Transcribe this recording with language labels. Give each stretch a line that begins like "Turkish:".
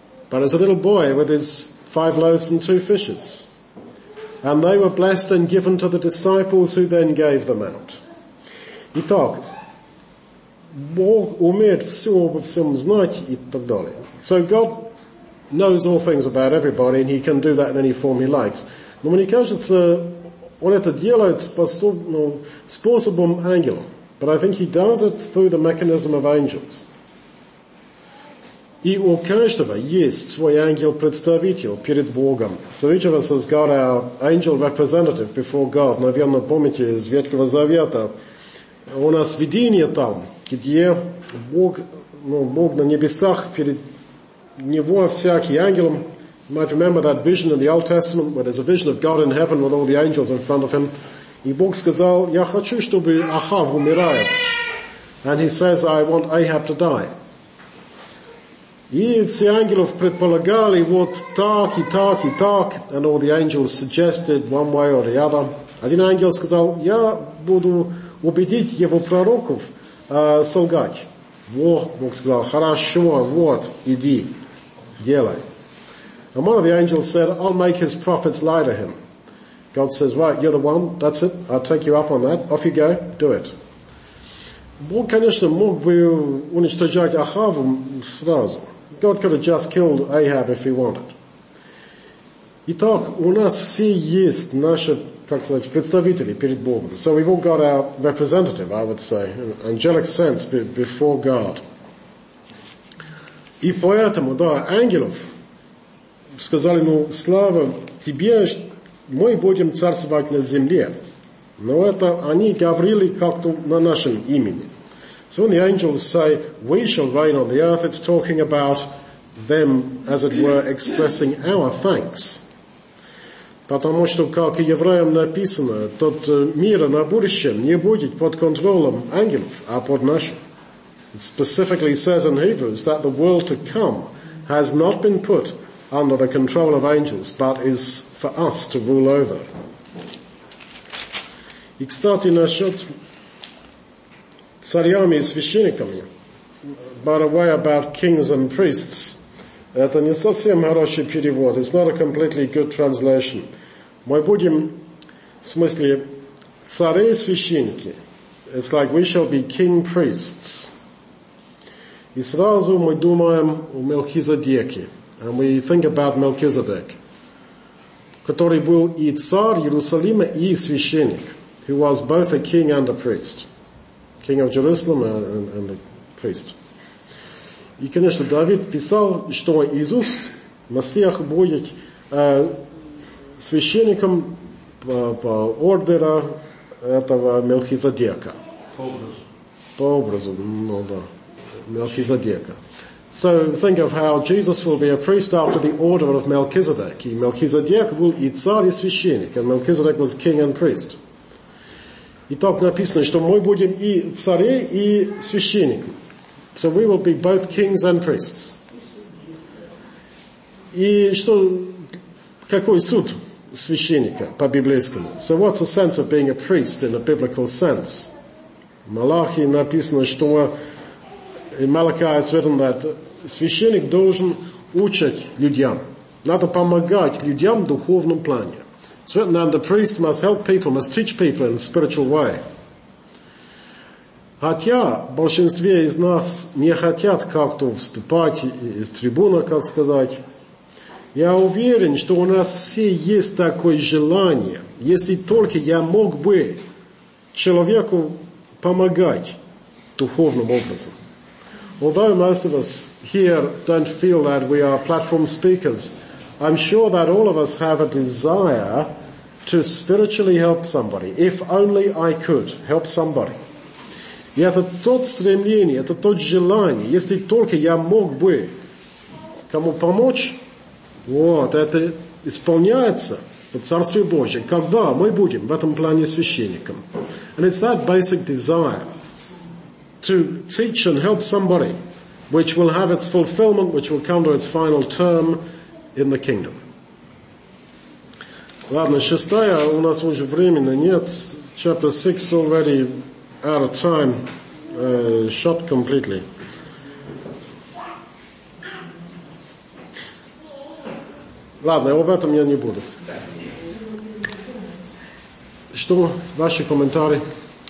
English: But as a little boy with his 5 loaves and 2 fishes, and they were blessed and given to the disciples who then gave them out.
Russian: Итак, Бог умеет все обо всем знать и так далее.
English: So God knows all things about everybody and he can do that in any form he likes.
Russian: Но мне кажется, он это делает способом ангелом.
English: But I think he does it through the mechanism of angels.
Russian: И у каждого есть свой ангел-представитель перед Богом.
English: So each of us has got our angel representative before God.
Russian: Наверное, помните из Ветхого Завета, у нас видение там, где Бог, ну, Бог на небесах, перед Него всякий ангел.
English: You might remember that vision in the Old Testament, where there's a vision of God in heaven with all the angels in front of him.
Russian: И Бог сказал, я хочу, чтобы Ахав умирает.
English: And he says, I want Ahab to die.
Russian: И все ангелов предполагали вот так и так и так,
English: and all the angels suggested one way or the other.
Russian: Один ангел сказал, я буду убедить его пророков солгать. Во, Бог сказал, хорошо, вот, иди, делай.
English: And one of the angels said, I'll make his prophets lie to him. God says, right, you're the one, that's it, I'll take you up on that, off you go, do it.
Russian: Бог, конечно, мог бы уничтожать Ахаву сразу.
English: God could have just killed Ahab if he wanted.
Russian: Итак, у нас все есть наши, как сказать, представители перед Богом.
English: So we've all got our representative, I would say, in angelic sense, before God.
Russian: И поэтому, да, ангелов сказали, ну, слава тебе, мы будем царствовать на земле. Но это они говорили как-то на нашем имени.
English: So when the angels say, we shall reign on the earth, it's talking about them, as it were, expressing our thanks.
Russian: Потому что, как и евреям написано, тот мир на будущем не будет под контролем ангелов, а под нашим.
English: It specifically says in Hebrews that the world to come has not been put under the control of angels, but is for us to rule over.
Russian: И кстати насчет царями и священниками.
English: By the way, about kings and priests,
Russian: это не совсем хороший перевод.
English: It's not a completely good translation.
Russian: Мы будем, в смысле, цари и священники.
English: It's like we shall be king priests.
Russian: И сразу мы думаем о Мелхизедеке.
English: And we think about Melchizedek,
Russian: который был и царь Иерусалима, и священник,
English: who was both a king and a priest. King of Jerusalem and a priest.
Russian: И, конечно, Давид писал, что Иисус, Мессиях, будет священником по ордеру этого Мелхизедека. По образу. По образу, ну да, Мелхизедека.
English: So think of how Jesus will be a priest after the order of Melchizedek. Melchizedek
Russian: был и царь, и священник,
English: and Melchizedek was king and priest.
Russian: И так написано, что мы будем и царь, и священник.
English: So we will be both kings and priests.
Russian: И что, какой суд священника по-библейскому?
English: So what's the sense of being a priest in a biblical sense?
Russian: Малахии написано, что
English: in Malachi it's written that
Russian: священник должен учить людям. Надо помогать людям в духовном плане.
English: It's written that the priest must help people, must teach people in a spiritual way.
Russian: Хотя большинстве из нас не хотят как-то вступать из трибуны, как сказать. Я уверен, что у нас все есть такое желание. Если только я мог бы человеку помогать духовным образом.
English: Although most of us here don't feel that we are platform speakers, I'm sure that all of us have a desire to spiritually help somebody. If only I could help somebody.
Russian: И это тот стремление, это тот желание, если только я мог бы кому помочь, вот, это исполняется в Царстве Божьем, когда мы будем в этом плане священником.
English: And it's that basic desire to teach and help somebody, which will have its fulfillment, which will come to its final term in the kingdom.
Russian: Ладно, шестая, у нас уже времени нет.
English: Chapter 6 already out of time, shot completely.
Russian: Ладно, об этом я не буду. Что ваши комментарии?